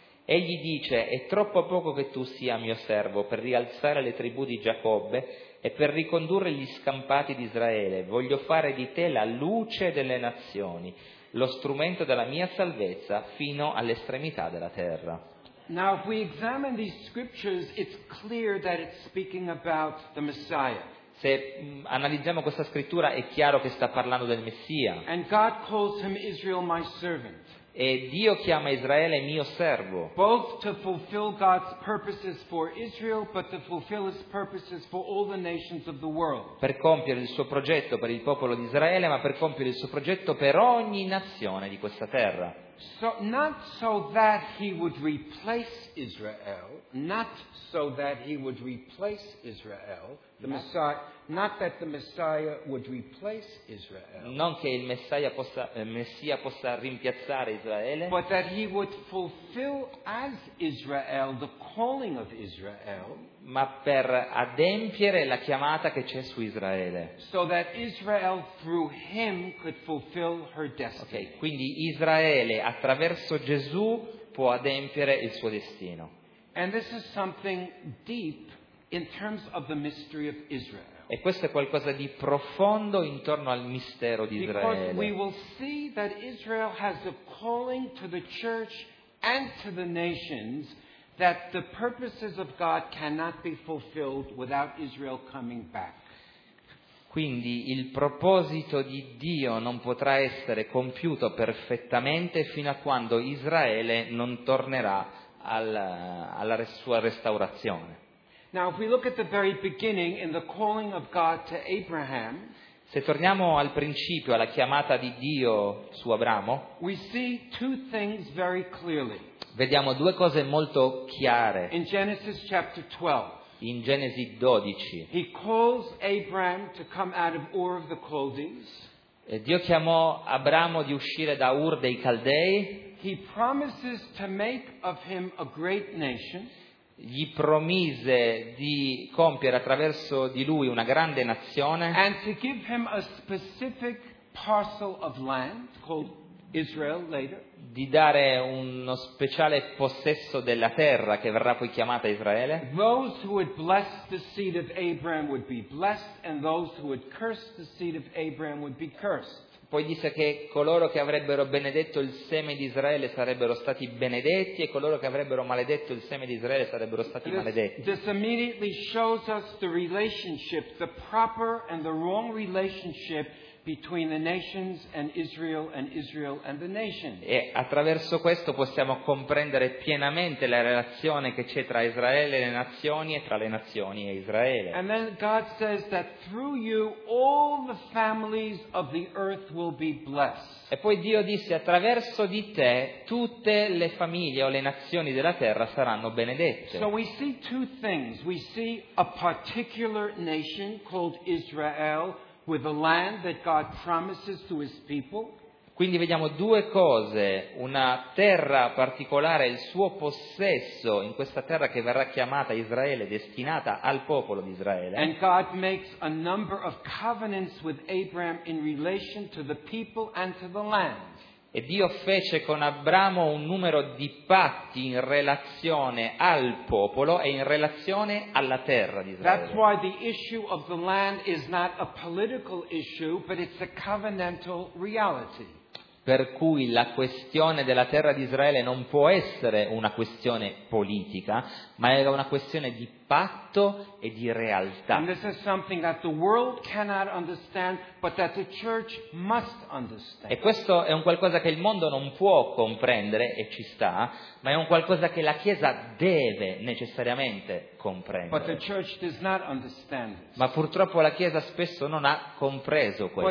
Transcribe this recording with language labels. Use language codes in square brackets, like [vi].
[it] Egli dice: è troppo poco che tu sia mio servo per rialzare le tribù di Giacobbe e per ricondurre gli scampati di Israele. Voglio fare di te la luce delle nazioni, lo strumento della mia salvezza fino all'estremità della terra. [en] Now, if we examine these scriptures, it's clear that it's speaking about the Messiah. [it] Se analizziamo questa scrittura, è chiaro che sta parlando del Messia. [en] And God calls him Israel, my servant. [it] E Dio chiama Israele mio servo. [en] Both to fulfill God's purposes for Israel, but to fulfill His purposes for all the nations of the world. [it] Per compiere il suo progetto per il popolo di Israele, ma per compiere il suo progetto per ogni nazione di questa terra. [en] So, not so that He would replace Israel, not so that He would replace Israel, the Messiah. Not that the Messiah would replace Israel, [it] non che il Messia possa, rimpiazzare Israele, [en] but that he would fulfill as Israel the calling of Israel, [it] ma per adempiere la chiamata che c'è su Israele, [en] so that Israel through him could fulfill her destiny. [it] Okay, quindi Israele attraverso Gesù può adempiere il suo destino. [en] And this is something deep in terms of the mystery of Israel. [it] E questo è qualcosa di profondo intorno al mistero di Israele. [en] Because we will see that Israel has a calling to the church and to the nations that the purposes of God cannot be fulfilled without Israel coming back. [it] Quindi il proposito di Dio non potrà essere compiuto perfettamente fino a quando Israele non tornerà alla sua restaurazione. [en] Now, if we look at the very beginning in the calling of God to Abraham, [it] se torniamo al principio, alla chiamata di Dio su Abramo, [en] we see two things very clearly. [it] Vediamo due cose molto chiare. [en] In Genesis chapter 12, [it] in Genesi 12, [en] he calls Abraham to come out of Ur of the Chaldees. [it] E Dio chiamò Abramo di uscire da Ur dei Caldei. [en] He promises to make of him a great nation. [it] Gli promise di compiere attraverso di lui una grande nazione, [en] and to give him a specific parcel of land called Israel later, [it] di dare uno speciale possesso della terra che verrà poi chiamata Israele. [en] Those who would bless the seed of Abraham would be blessed, and those who would curse the seed of Abraham would be cursed. [it] Poi disse che coloro che avrebbero benedetto il seme di Israele sarebbero stati benedetti e coloro che avrebbero maledetto il seme di Israele sarebbero stati maledetti. [en] This immediately shows us the relationship, the proper and the wrong relationship between the nations and Israel and Israel and the nations. [it] E attraverso questo possiamo comprendere pienamente la relazione che c'è tra Israele e le nazioni e tra le nazioni e Israele. [en] And then God says that through you all the families of the earth will be blessed. [it] E poi Dio disse: attraverso di te tutte le famiglie o le nazioni della terra saranno benedette. [en] So we see two things. We see a particular nation called Israel with a land that God promises to his people. [it] Quindi vediamo due cose: una terra particolare, il suo possesso in questa terra che verrà chiamata Israele, destinata al popolo di Israele. [en] And God makes a number of covenants with Abraham in relation to the people and to the land. [it] E Dio fece con Abramo un numero di patti in relazione al popolo e in relazione alla terra di Israele. [en] That's why the issue of the land is not a political issue, but it's a covenantal reality. [it] Per cui la questione della terra di Israele non può essere una questione politica, ma è una questione di patto e di realtà. [en] And this is something that the world cannot understand, but that the church must understand. [it] E questo è un qualcosa che il mondo non può comprendere, e ci sta, ma è un qualcosa che la Chiesa deve necessariamente comprendere. [en] But the church does not understand this. [it] Ma purtroppo la Chiesa spesso non ha compreso questo.